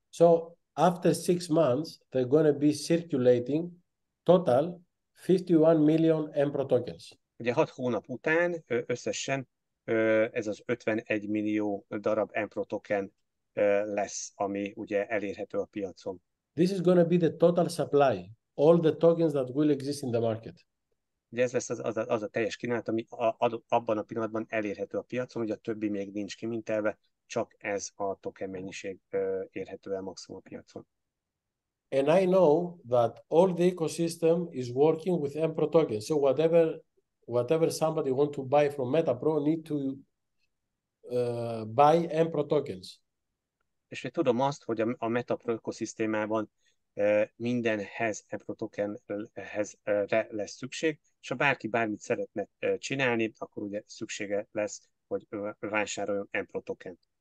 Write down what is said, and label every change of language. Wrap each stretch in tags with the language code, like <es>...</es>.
<en>So after 6 months, they're going to be circulating total 51 million EMPRO tokens.</en> <hu>Ugye 6 hónap után összesen ez az 51 millió darab EMPRO token lesz, ami ugye elérhető a piacon.</hu> <en>This is going to be the total supply, all the tokens that will exist in the market.</en> <hu>Ugye ez lesz az a teljes kínálat, ami abban a pillanatban elérhető a piacon, ugye a többi még nincs kimintelve, csak ez a token mennyiség érhető el maximum a piacon.</hu> <en>And I know that all the ecosystem is working with EMPRO tokens. So whatever somebody want to buy from MetaPro need to buy EMPRO tokens.</en> <hu>És én tudom azt, hogy a MetaPro ökoszisztémában mindenhez EMPRO tokenhez lesz szükség, és ha bárki bármit szeretne csinálni, akkor ugye szüksége lesz, hogy vásároljon EMPRO token.</hu>